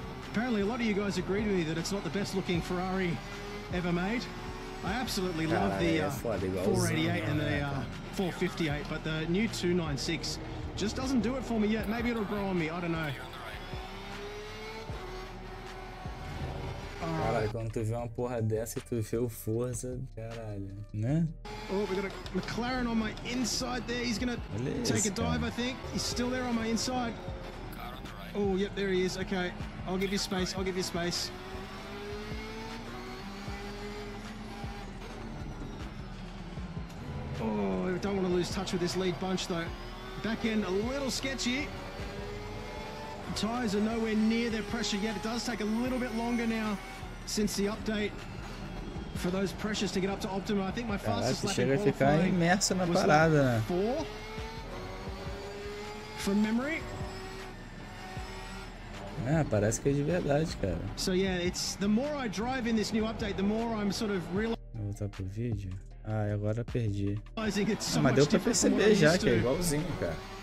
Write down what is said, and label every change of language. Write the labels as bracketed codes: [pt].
[en] Apparently, a lot of you guys agreed with me that it's not the best looking Ferrari ever made. I absolutely love the 488 and the 458, but the new 296 just doesn't do it for me yet. Maybe it'll grow on me. I don't know. [pt] Caralho, quando tu vê uma porra dessa e tu vê o Forza, caralho, né? [en] Oh, we got a McLaren on my inside there. He's gonna take a dive, I think. He's still there on my inside. Oh, yep, there he is. Okay, I'll give you space. I'll give you space. Oh, I don't want to lose touch with this lead bunch though. Back end a little sketchy. Tires are nowhere near their pressure yet. It does take a little bit longer now since the update for those pressures to get up to optimum. I think my fastest lap [pt] chega a ficar imerso na parada. [en] Four from memory. [pt] Ah, parece que é de verdade, cara. [en] So yeah, it's the more I drive in this new update, the more I'm sort of realizing. [pt] Vou voltar pro vídeo. Ah, agora perdi. So mas deu pra perceber já que é igualzinho, cara.